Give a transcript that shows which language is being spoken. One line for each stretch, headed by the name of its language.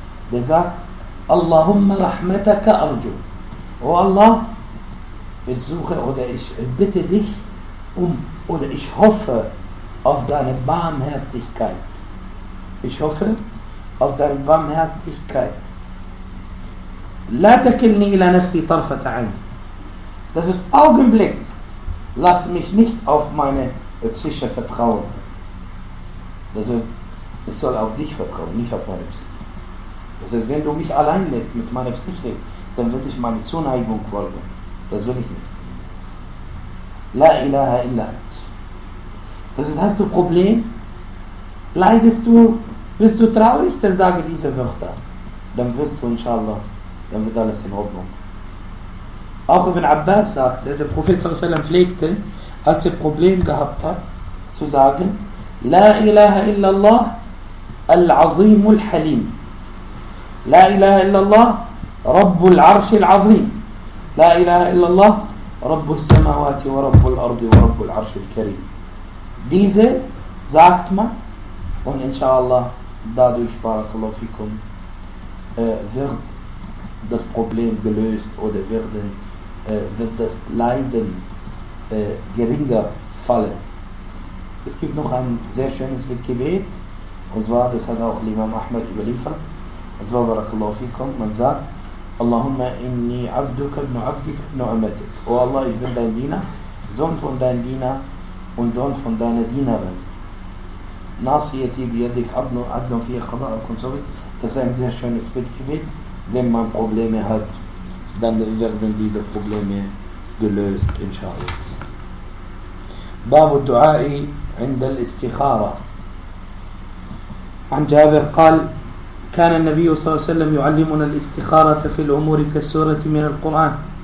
German: Der sagt,
Arabic: Allahumma rahmataka arju.
German: O Allah, suche oder ich bitte dich um oder ich hoffe auf deine Barmherzigkeit. Ich hoffe auf deine Barmherzigkeit.
Arabic: لا تكلني إلى نفسي طرفة عين.
German: Das ist Augenblick. Lass mich nicht auf meine Psyche vertrauen. Das ist, ich soll auf dich vertrauen, nicht auf meine Psyche. Das ist, wenn du mich allein lässt mit meiner Psyche, dann wird ich meine Zuneigung folgen. Das will ich nicht.
Arabic: La ilaha illa ant.
German: Das ist, hast du ein Problem? Leidest du? Bist du traurig? Dann sage diese Wörter. Dann wirst du, inshallah, dann wird alles in Ordnung. Auch Ibn Abbas sagte, der Prophet sallallahu alaihi wa sallam pflegte, als er Problem gehabt hat, zu sagen,
Arabic: لا إله إلا الله العظيم الحليم. لا إله إلا الله رب العرش العظيم. لا إله إلا الله رب السماوات ورب الأرض ورب العرش الكريم.
German: Diese sagt man, und inshallah, dadurch, barakallahu fikum, wird das Problem gelöst oder werden wird das Leiden geringer fallen. Es gibt noch ein sehr schönes Gebet, und zwar, das hat auch Imam Ahmad überliefert, und zwar, barakallahu fikum, man sagt,
Arabic: Allahumma inni abduka ibn abdika ibn amatik.
German: O Allah, ich bin dein Diener, Sohn von deinem Diener und Sohn von deiner Dienerin.
Arabic: Nasiyati biyadik adlu adlu fiyya qada'uk
German: und so weiter. Das ist ein sehr schönes Gebet, wenn man Probleme hat, dann werden diese Probleme gelöst, inshallah.
Arabic: باب الدعاء عند الاستخارة. عن جابر قال كان النبي صلى الله عليه وسلم يعلمنا الاستخارة في الأمور كالسورة من القرآن.